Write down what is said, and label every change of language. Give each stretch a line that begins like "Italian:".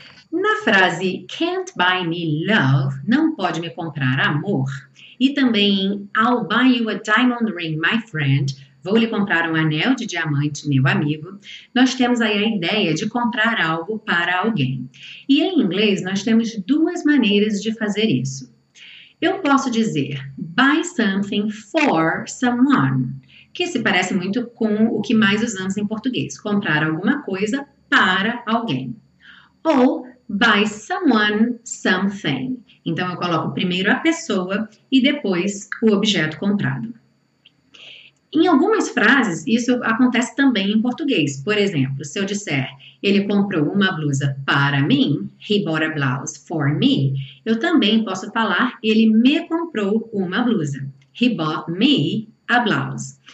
Portuguese: Na frase
English: Can't Buy Me Love,
Portuguese: não pode me comprar amor, e também
English: I'll buy you a diamond ring, my friend,
Portuguese: vou lhe comprar um anel de diamante, meu amigo, nós temos aí a ideia de comprar algo para alguém. E em inglês nós temos duas maneiras de fazer isso. Eu posso dizer
English: buy something for someone,
Portuguese: que se parece muito com o que mais usamos em português, comprar alguma coisa para alguém.
English: Ou buy someone something.
Portuguese: Então eu coloco primeiro a pessoa e depois o objeto comprado. Em algumas frases, isso acontece também em português. Por exemplo, se eu disser ele comprou uma blusa para mim,
English: he bought a blouse for me,
Portuguese: eu também posso falar ele me comprou uma blusa,
English: he bought me a blouse.